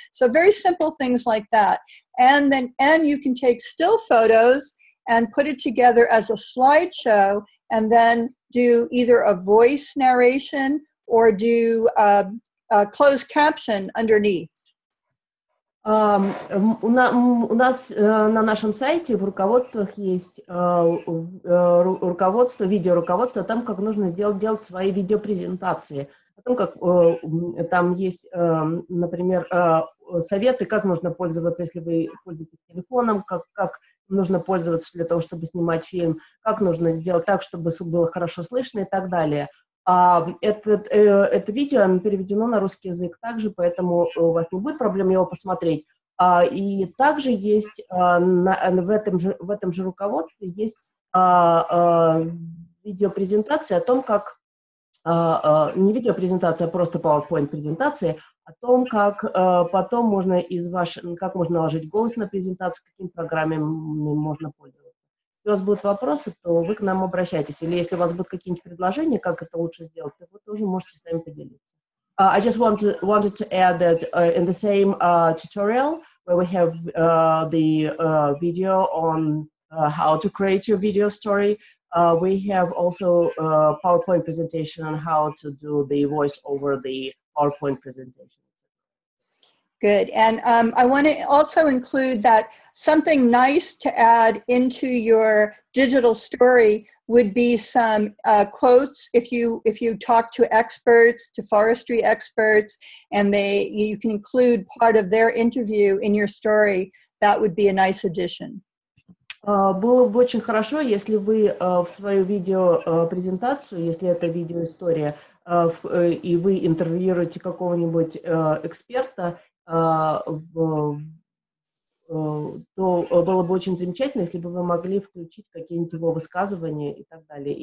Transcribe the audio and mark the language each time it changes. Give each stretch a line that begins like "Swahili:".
English: So very simple things like that. And you can take still photos and put it together as a slideshow and then do either a voice narration or do a closed caption underneath.
Russian: У нас на нашем сайте в руководствах есть руководство, видеоруководство о том, как нужно делать свои видеопрезентации. О том, как там есть, например, советы, как нужно пользоваться, если вы пользуетесь телефоном, как нужно пользоваться для того, чтобы снимать фильм, как нужно сделать так, чтобы было хорошо слышно и так далее. Это видео переведено на русский язык также, поэтому у вас не будет проблем его посмотреть. И также есть в этом же руководстве есть видеопрезентация о том, как не видеопрезентация, а просто PowerPoint презентация о том, как потом можно как можно наложить голос на презентацию, какими программами можно пользоваться. Если у вас будут вопросы, то вы к нам обращайтесь. Или если у вас будут какие-нибудь предложения, как это лучше сделать, то вы тоже можете с нами поделиться.
English: I just wanted to add that in the same tutorial, where we have the video on how to create your video story, we have also a PowerPoint presentation on how to do the voice over the PowerPoint presentation. Good. And I want to also include that something nice to add into your digital story would be some quotes. If you talk to experts, to forestry experts, and you can include part of their interview in your story, that would be a nice addition.
Russian: Было бы очень хорошо, если вы в свою видеопрезентацию, если это видеоистория, и вы интервьюируете какого-нибудь эксперта, то было бы очень замечательно, если бы вы могли включить какие-нибудь его высказывания и так далее.